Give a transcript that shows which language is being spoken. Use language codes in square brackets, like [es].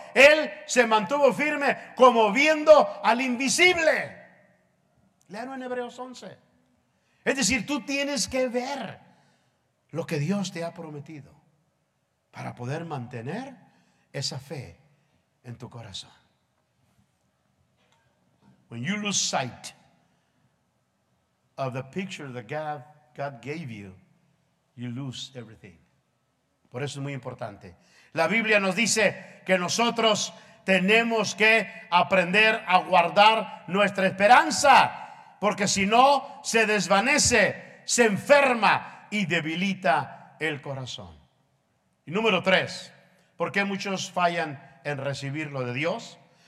[es] Él se mantuvo firme como viendo al invisible. Léalo en Hebreos 11. Es decir, tú tienes que ver lo que Dios te ha prometido para poder mantener esa fe en tu corazón. [en] When you lose sight of the picture that God gave you, you lose everything. [es] Por eso es muy importante. La Biblia nos dice que nosotros tenemos que aprender a guardar nuestra esperanza, porque si no, se desvanece, se enferma y debilita el corazón. Y número tres, ¿por qué muchos fallan en recibir lo de Dios?